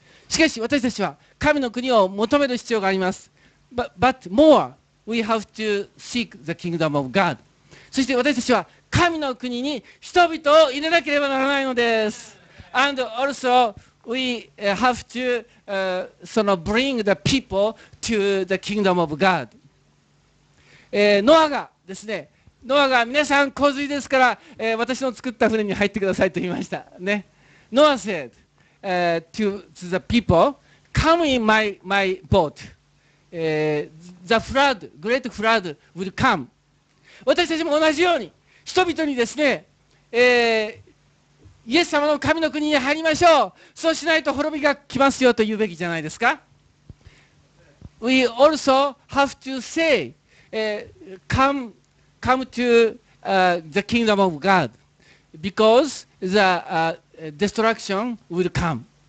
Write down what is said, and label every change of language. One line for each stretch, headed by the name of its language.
Japanese: しかし私たちは神の国を求める必要があります。
English: But more we have to seek the kingdom of God。
Japanese: そして私たちは神の国に人々を入れなければならないのです。
English: And also, we have to、その bring the people to the kingdom of God、
Japanese: ノアがですね、ノアが皆さん洪水ですから、私の作った船に入ってくださいと言いましたね。
English: ノア said、to the people, come in my boat、the flood, great flood will come。
Japanese: 私たちも同じように人々にですね、イエス様の神の国に入りましょう、そうしないと滅びが来ますよと言うべきじゃないですか。
English: We also have to say、come to、the kingdom of God because the、destruction will come。